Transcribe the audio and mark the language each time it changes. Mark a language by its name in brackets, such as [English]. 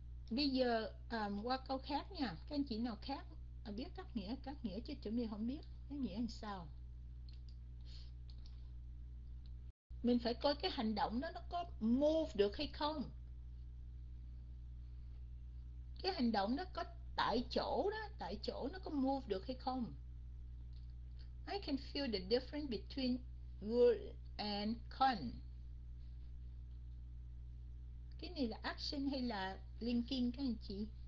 [Vietnamese] Bây giờ qua câu khác nha, các anh chị nào khác biết các nghĩa chứ chúng mình không biết nó nghĩa là sao. Mình phải coi cái hành động đó nó có move được hay không. Cái hành động nó có tại chỗ đó, tại chỗ nó có move được hay không. [English] I can feel the difference between good and con. [Vietnamese] Cái này là action hay là linking các anh chị?